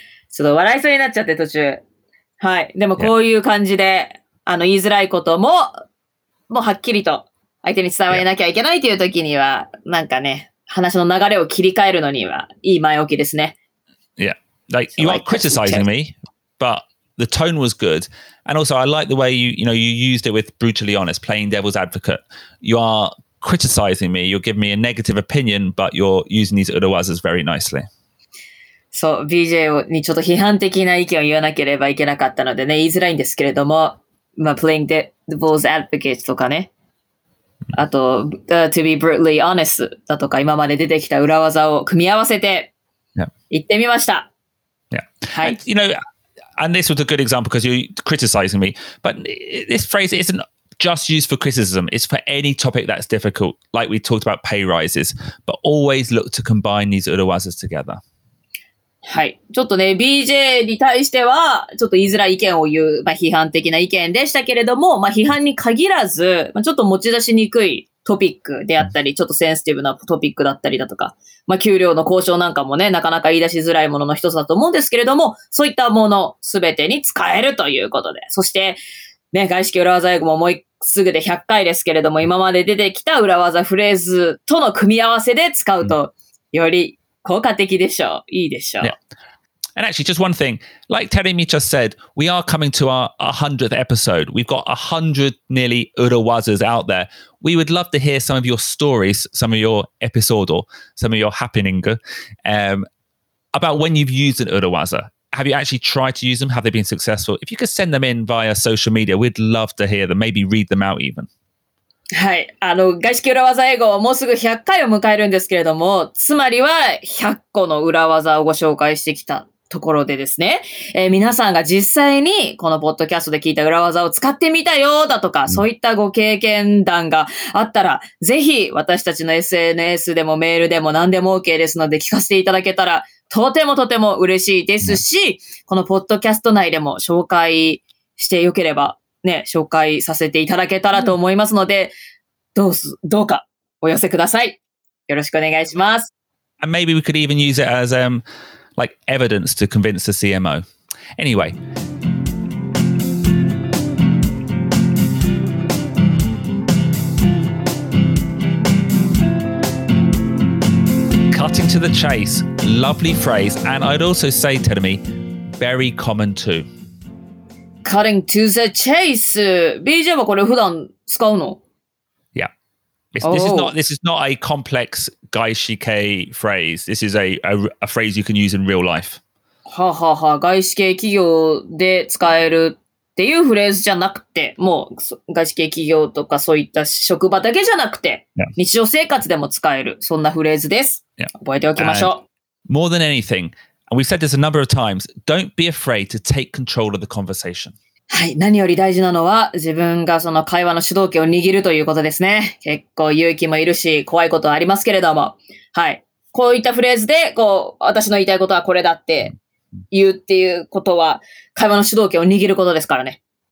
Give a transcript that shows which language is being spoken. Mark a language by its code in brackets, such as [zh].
[ja] ちょっと笑いそうになっちゃって途中。はい。でもこういう感じで、あの、言いづらいことも、もうはっきりと相手に伝えなきゃいけないという時には、なんかね、話の流れを切り替えるのにはいい前置きですね。 [en] Yeah, like you are criticizing me, but the tone was good. And also, I like the way you used it with brutally honest, playing devil's advocate. You are criticizing me, you're giving me a negative opinion, but you're using these urawazas very nicely. [ja] そう、BJ にちょっと批判的な意見を言わなければいけなかったのでね、言いづらいんですけれども、まあ、 [en] playing devil's advocate [ja] とかね、あと、 [en] to be brutally honest [ja] だとか今まで出てきた裏技を組み合わせて行ってみました。 [en] Yeah. Yeah. [ja] はい。 [en] And, you know, and this was a good example because you're criticizing me, but this phrase isn't just used for criticism. It's for any topic that's difficult, like we talked about pay rises, but always look to combine these urawazas together. [ja] はい。ちょっとね、BJ に対しては、ちょっと言いづらい意見を言う、まあ批判的な意見でしたけれども、まあ批判に限らず、まあ、ちょっと持ち出しにくいトピックであったり、ちょっとセンシティブなトピックだったりだとか、まあ給料の交渉なんかもね、なかなか言い出しづらいものの一つだと思うんですけれども、そういったものすべてに使えるということで、そして、ね、外資系裏技英語ももうすぐで100回ですけれども、今まで出てきた裏技フレーズとの組み合わせで使うと、より効果的でしょう。いいでしょう。 [en] Yeah. And actually, just one thing. Like Terimi just said, we are coming to our 100th episode. We've got 100 nearly 裏技's out there. We would love to hear some of your stories, some of your episode, some of your happening, about when you've used an 裏技. Have you actually tried to use them? Have they been successful? If you could send them in via social media, we'd love to hear them, maybe read them out even. [ja] はい。あの、外資系裏技英語はもうすぐ100回を迎えるんですけれども、つまりは100個の裏技をご紹介してきたところでですね、皆さんが実際にこのポッドキャストで聞いた裏技を使ってみたよだとか、そういったご経験談があったら、ぜひ私たちの SNS でもメールでも何でも OK ですので聞かせていただけたら、とてもとても嬉しいですし、このポッドキャスト内でも紹介してよければね、紹介させていただけたらと思いますので、どうかお寄せください。よろしくお願いします。 [en] And maybe we could even use it as, like evidence to convince the CMO. Anyway. Cutting to the chase. Lovely phrase. And I'd also say, Terimi, very common too. Cutting to the chase. [ja] BJ はこれ普段使うの? [en] Yeah. This is not a complex 外資系 phrase. This is a phrase you can use in real life. はははは。 [ja] 外資系企業で使えるっていうフレーズじゃなくて、もう外資系企業とかそういった職場だけじゃなくて、 [en] yeah. [ja] 日常生活でも使える、そんなフレーズです。 [en] Yeah. [ja] 覚えておきましょう。 [en] More than anything,We've said this a number of times. Don't be afraid to take control of the conversation. [ja] はい、何より大事なのは自分がその会話の主導権を握るということですね。結構勇気もいるし、怖いことはありますけれども、はい、こういったフレーズでこう私の言いたいことはこれだって言うっていうことは会話の主導権を握ることですからね。